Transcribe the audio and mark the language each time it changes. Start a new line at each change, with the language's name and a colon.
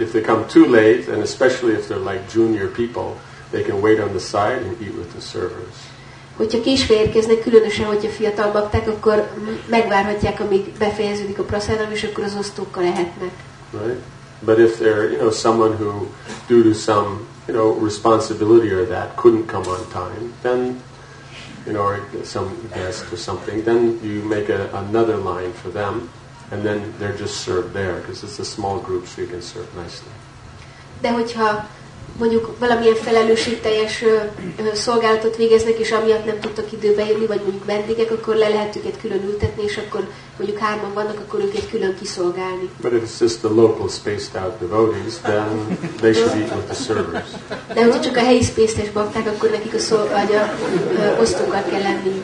English: If they come too late, and especially if they're like junior people, they can wait on the side and eat with the servers.
Hungarian: Hogyha késve érkeznek, különösen, hogyha fiatal bakták, akkor megvárhatják, amíg befejeződik a prasadam, és akkor az osztókkal lehetnek.
English: Right? But if they're, you know, someone who, due to some, you know, responsibility or that couldn't come on time, then, you know, or some guest or something, then you make another line for them, and then they're just served there, because it's a small group, so you can serve nicely.
Hungarian: De hogyha mondjuk valamilyen felelősségteljes szolgálatot végeznek, és amiatt nem tudtak időbe érni, vagy mondjuk vendégek, akkor le lehet őket külön ültetni, és akkor mondjuk hárman vannak, akkor őket külön kiszolgálni.
English: But if it's just the local spaced out devotees, then they should eat with the servers.
Hungarian: De hogyha csak a helyi spaced-es bakták, akkor nekik a osztókkal kell lenni.